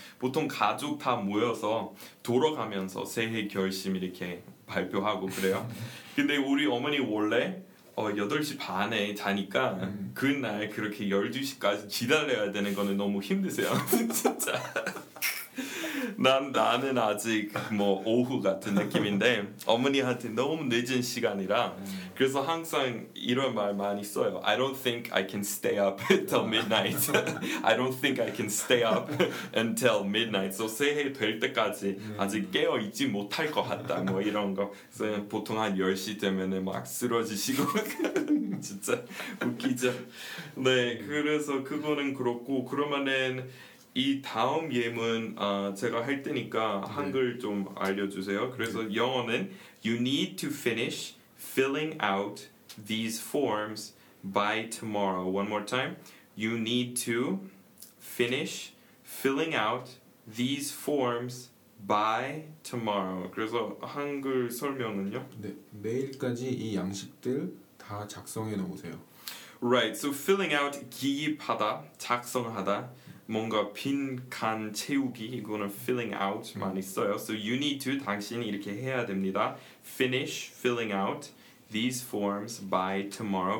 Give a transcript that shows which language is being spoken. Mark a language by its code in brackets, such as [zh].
[ko] 보통 가족 다 모여서 돌아가면서 새해 결심 이렇게 발표하고 그래요 근데 우리 어머니 원래 8시 반에 자니까 그날 그렇게 12시까지 기다려야 되는 거는 너무 힘드세요. 진짜. 나는 아직 뭐 오후 같은 느낌인데 어머니한테 너무 늦은 시간이라 그래서 항상 이런 말 많이 써요. [en] I don't think I can stay up till midnight. I don't think I can stay up until midnight. [ko] So 새해 될 때까지 아직 깨어 있지 못할 것 같다. 뭐 이런 거. 그래서 보통 한 10시 되면은 막 쓰러지시고 진짜 웃기죠. 네, 그래서 그거는 그렇고 그러면은. 이 다음 예문 제가 할 테니까 한글 좀 알려주세요. 그래서 영어는 [en] You need to finish filling out these forms by tomorrow. One more time. You need to finish filling out these forms by tomorrow. [ko] 그래서 한글 설명은요? 네, 내일까지 이 양식들 다 작성해 놓으세요. [en] Right, so filling out, [ko] 기입하다, 작성하다. 뭔가 빈 칸 채우기 이거는 filling out 많이 써요. So you need to 당신이 이렇게 해야 됩니다. Finish filling out these forms by tomorrow.